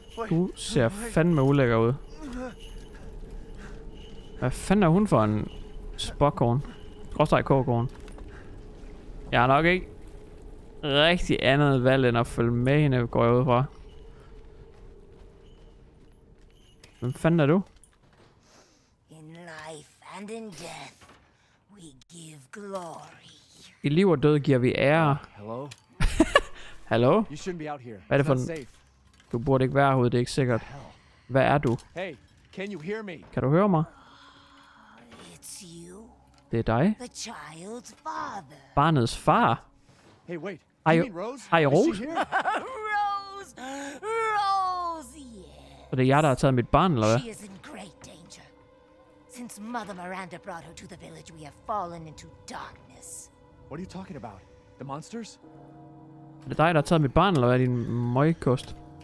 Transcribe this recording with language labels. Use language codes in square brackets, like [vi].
[da] Du ser fandme ulækker ud. Hvad fanden er hun for en... Spokkorn. Skråstrej kogkorn. Jeg har nok ikke rigtig andet valg end at følge med hende, går jeg ud fra. Hvem fanden er du? [en] In life and in death, we give glory. [da] I liv og død giver vi ære. [en] Hello? [da] Hallo? [en] You shouldn't be out here. [da] Hvad er det for en... Du burde ikke være herude, det er ikke sikkert. Hvad er du? [en] Hey, can you hear me? [da] Kan du høre mig? [en] It's you. [da] Det er dig. [en] The child's father. [da] Barnets far. [en] Hey, wait. Hey, Rose. Hey, Rose. Rose. Rose. Yes. [da] Og det er jeg, der har taget mit barn, eller hvad? [en] She is in great danger. Since Mother Miranda brought her to the village, we have fallen into darkness. What are you talking about? The monsters? [da] Er det dig, der har taget mit barn, eller hvad, din møgkost?